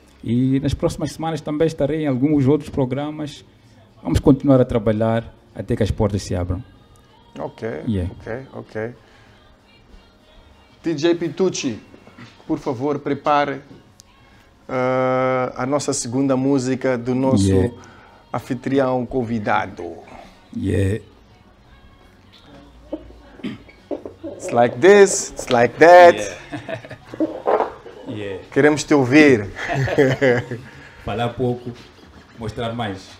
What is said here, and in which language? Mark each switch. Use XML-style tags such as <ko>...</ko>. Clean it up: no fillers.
<pt>E nas próximas semanas também estarei em alguns outros programas, vamos continuar a trabalhar até que as portas se abram. Ok, ok. DJ Pitucci, por favor, prepare a nossa segunda música do nosso anfitrião convidado.</pt> <en>It's like this, it's like that.</en> <pt>Queremos te ouvir. Falar pouco, mostrar mais.</pt>